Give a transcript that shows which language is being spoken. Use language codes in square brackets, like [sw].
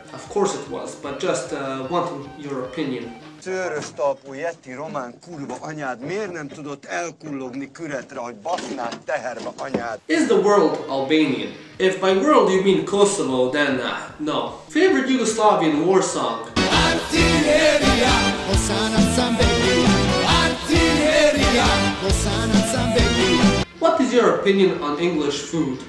[en] Of course it was, but just wanting your opinion. [hu] Csőröstalpú jeti román kurva anyád, miért nem tudott elkullogni küretre, hogy basznád teherbe anyád? [en] Is the world Albanian? If by world you mean Kosovo, then no. Favorite Yugoslavian war song? Artilleria, Osana Sambeli. What is your opinion on English food?